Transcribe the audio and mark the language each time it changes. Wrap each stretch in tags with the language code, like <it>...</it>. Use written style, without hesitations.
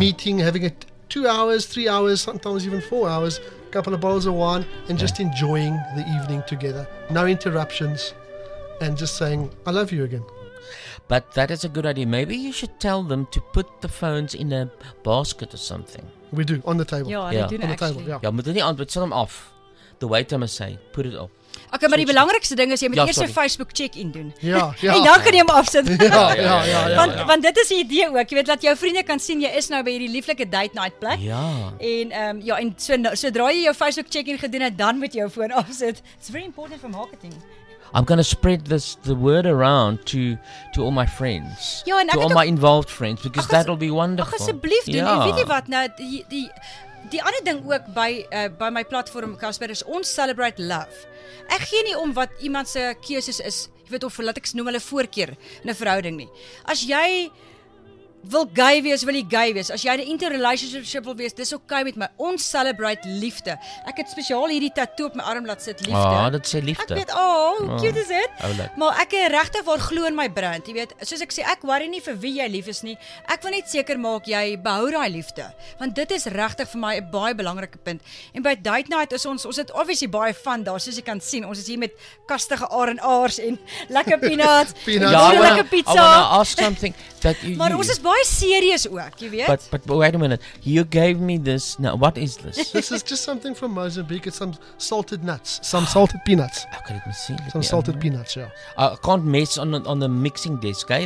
<en>Meeting, having it 2 hours, 3 hours, sometimes even 4 hours, a couple of bottles of wine, and just enjoying the evening together. No interruptions. and just saying, I love you again. But that is a good idea. Maybe you should tell them to put the phones in a basket or something. We do, on the table. Yeah, they do, on the table. Yeah, but then you turn them off. The waiter must say, put it up.</en> <af>Okay, maar die belangrikste ding is jy moet eers 'n Facebook check-in doen. Ja. En dan kan jy hom afsit. Ja. Want dit is 'n idee ook, jy weet, laat jou vriende kan sien jy is nou by hierdie lieflike date night plek. Ja. En ja, en sodra jy jou Facebook check-in gedoen het, dan moet jy jou foon afsit.</af> <en>It's very important for marketing. I'm going to spread this the word around to all my friends.</en> <af>Ja, en</af> <en>to all my involved friends because that'll be wonderful.</en> <af>Asseblief doen. Ja. En weet jy wat nou die ander ding ook by my platform Casper is ons</af> <en>celebrate love.</en> <af>Ek gee nie om wat iemand se keuses is, jy weet of laat ek noem hulle voorkeur in 'n verhouding nie. As jy wil gay wees, wil jy gay wees. As jy 'n interrelationship wil wees, dis okay met my. Ons celebrate liefde. Ek het spesiaal hierdie tattoo op my arm laat sit liefde. Ah, dit sê liefde. Ek weet, cute is dit. Maar ek het regtig waar glo in my brand, jy weet. Soos ek sê, ek worry nie vir wie jy lief is nie. Ek wil net seker maak jy behou daai liefde, want dit is regtig vir my 'n baie belangrike punt. En by Date Night is ons het obviously baie fun daar, soos jy kan sien. Ons is hier met kastige R&R's en lekker peanuts. Lekker pizza.</af> <en>I wanna ask something that you</en> <af>Maar ons is baie serious ook, jy weet.</af> <en>But wait a minute. You gave me this. Now, what is this? This is just something from Mozambique. It's some salted nuts. Some salted peanuts. Okay, let me see. Some salted peanuts, yeah. I can't mess on the mixing desk, okay?</en>